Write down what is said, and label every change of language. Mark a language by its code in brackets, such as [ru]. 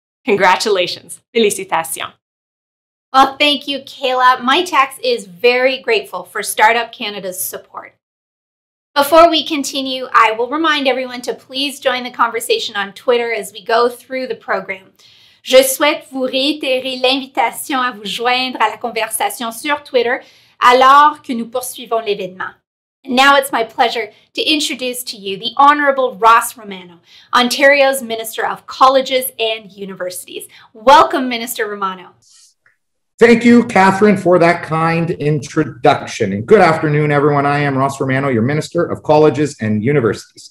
[en] Congratulations. [fr] Félicitations. [en] Well, thank you, Kayla. Mitacs is very grateful for Startup Canada's support. Before we continue, I will remind everyone to please join the conversation on Twitter as we go through the program. [fr] Je souhaite vous réitérer l'invitation à vous joindre à la conversation sur Twitter alors que nous poursuivons l'événement. [en] And now it's my pleasure to introduce to you the Honorable Ross Romano, Ontario's Minister of Colleges and Universities. Welcome, Minister Romano. Thank you, Catherine, for that kind introduction. And good afternoon, everyone. I am Ross Romano, your Minister of Colleges and Universities.